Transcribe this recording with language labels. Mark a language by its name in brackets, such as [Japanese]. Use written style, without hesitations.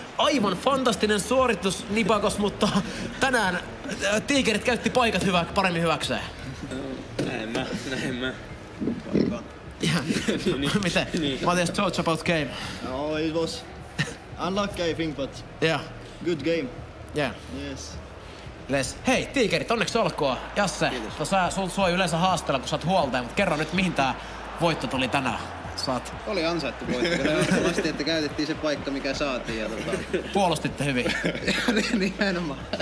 [Finnish] Aivan fantastinen suoritus Nipakos, mutta tänään tiikerit käytti paikat paremmin hyväkseen. Näin mä. Miten? Niin. [English] What is your thoughts about game? No, it was unlucky, I think, but yeah. Good game. Yeah. Yes. Les. [Finnish] Hei, tiikerit, onneksi olkoon. Jasse, kiitos. Sua ei yleensä haastella, kun sä oot huoltaja, mutta kerro nyt, mihin tää voitto tuli tänään. Saat. Oli ansaittu voitto. Vasti, että käytettiin se paikka, mikä saatiin. Ja puolustitte hyvin. Nimenomaan.